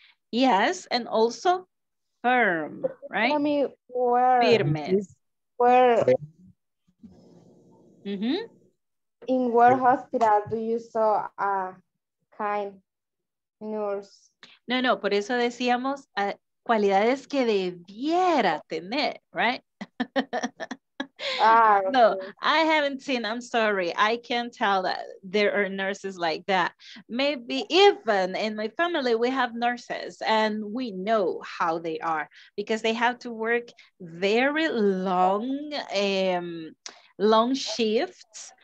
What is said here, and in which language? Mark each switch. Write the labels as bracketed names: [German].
[English] Yes, and also firm, right? Tell me where. [Spanish] Firme. [English] Where? Mm-hmm. In what hospital do you saw a kind nurse? [Spanish] No, no, por eso decíamos cualidades que debiera tener, right? [English] No, I haven't seen, I'm sorry. I can't tell that there are nurses like that. Maybe even in my family, we have nurses and we know how they are because they have to work very long, long shifts.